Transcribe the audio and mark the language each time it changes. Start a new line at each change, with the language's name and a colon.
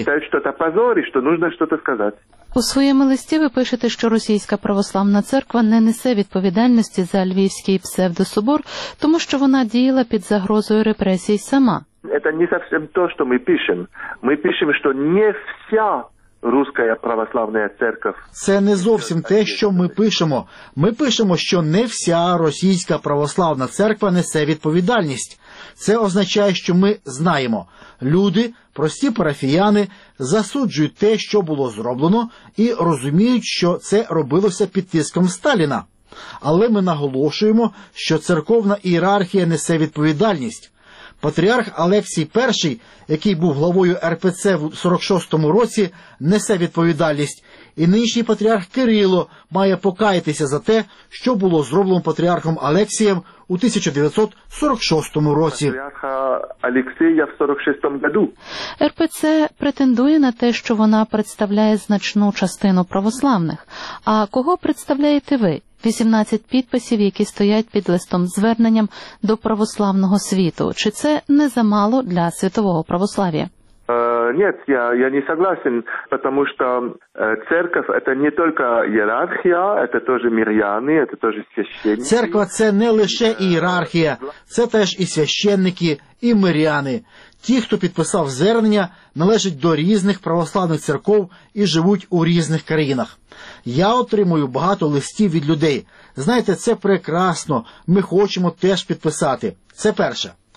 Ukrainian: Вважають, що це позор, що потрібно щось сказати. У своєму листі ви пишете, що Російська православна церква не несе відповідальності за Львівський псевдособор, тому що вона діяла під загрозою репресій сама. Це не зовсім те, що ми пишемо. Ми пишемо, що не вся
Russian: Русская православная церковь.
Ukrainian: Це не зовсім те, що ми пишемо. Ми пишемо, що не вся російська православна церква несе відповідальність. Це означає, що ми знаємо, люди, прості парафіяни, засуджують те, що було зроблено, і розуміють, що це робилося під тиском Сталіна. Але ми наголошуємо, що церковна ієрархія несе відповідальність. Патріарх Алексій І, який був главою РПЦ в 46-му році, несе відповідальність. І нинішній патріарх Кирило має покаятися за те, що було зроблено патріархом Алексієм у 1946 році. Патріарха Алексія в 46-му году. РПЦ претендує на те, що вона представляє значну частину православних. А кого представляєте ви? 18 підписів, які стоять під листом зверненням до православного світу. Чи це не замало для світового православ'я?
Russian: Нет, я не согласен, потому что церковь – это не только иерархия, это тоже миряне, это тоже священники.
Ukrainian: Церква – це не лише ієрархія, це теж і священники, і миряни. Ті, хто підписав звернення, належать до різних православних церков і живуть у різних країнах. Я отримую багато листів від людей. Знаєте, це прекрасно, ми хочемо теж підписати. Це перше.